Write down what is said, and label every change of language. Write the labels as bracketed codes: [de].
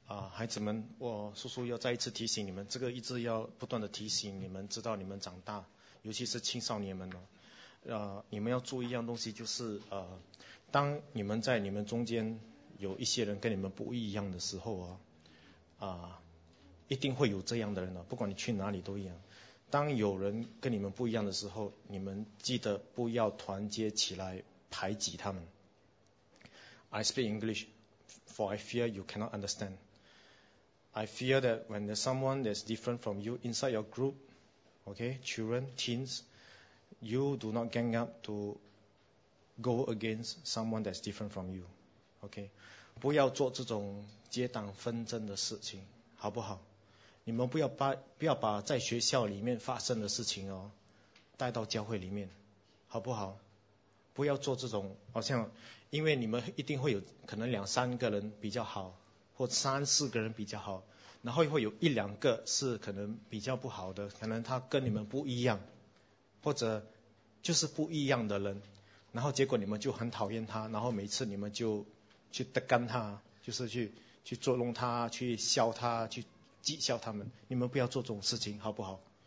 [zh] 孩子们，我叔叔要再一次提醒你们，这个一直要不断的提醒你们，知道你们长大，尤其是青少年们呢，你们要注意一样东西，就是当你们在你们中间有一些人跟你们不一样的时候一定会有这样的人的，不管你去哪里都一样。当有人跟你们不一样的时候，你们记得不要团结起来排挤他们。 [en] I speak English, for I fear you cannot understand. I fear that when there's someone that's different from you inside your group, okay, children, teens, you do not gang up to go against someone that's different from you, okay? [zh] 不要做这种结党纷争的事情，好不好？你们不要把在学校里面发生的事情哦带到教会里面，好不好？不要做这种，好像因为你们一定会有可能两三个人比较好，或三四个人比较好，然后会有一两个是可能比较不好的，可能他跟你们不一样，或者就是不一样的人，然后结果你们就很讨厌他，然后每次你们就去得干他，就是去捉弄他，去笑他，去讥笑他们，你们不要做这种事情，好不好？